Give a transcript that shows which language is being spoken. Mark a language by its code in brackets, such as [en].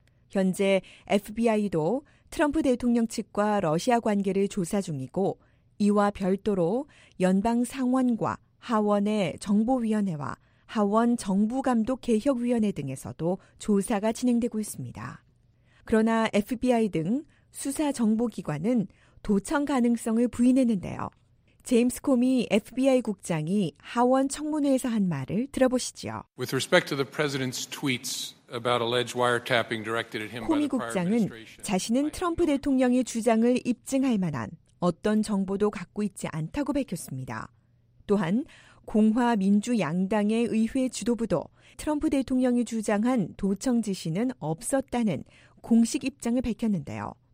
[ko] 현재 FBI도 트럼프 대통령 측과 러시아 관계를 조사 중이고 이와 별도로 연방 상원과 하원의 정보위원회와 하원 정부감독개혁위원회 등에서도 조사가 진행되고 있습니다. 그러나 FBI 등 수사정보기관은 도청 가능성을 부인했는데요. 제임스 코미 FBI 국장이 하원 청문회에서 한 말을 들어보시죠. [en] With respect to the president's tweets about alleged wiretapping directed at him by the prior administration, [ko] 국장은 자신은 트럼프 대통령의 주장을 입증할 만한 어떤 정보도 갖고 있지 않다고 밝혔습니다. 또한 공화 민주 양당의 의회 지도부도 트럼프 대통령이 주장한 도청 지시는 없었다는 공식 입장을 밝혔는데요.